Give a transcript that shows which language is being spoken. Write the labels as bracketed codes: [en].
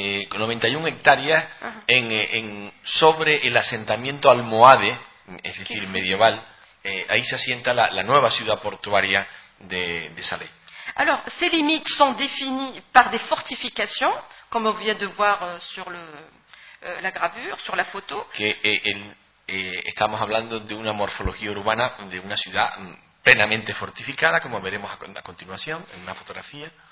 [es] 91 hectáreas en sobre el asentamiento almohade, es decir, medieval, ahí se asienta la nueva ciudad portuaria de Salé. [fr] Alors, ces limites sont définies par des fortifications, comme on vient de voir sur la gravure, sur la photo. [es] Que estamos hablando de una morfología urbana de una ciudad plenamente fortificada, como veremos a continuación en una fotografía.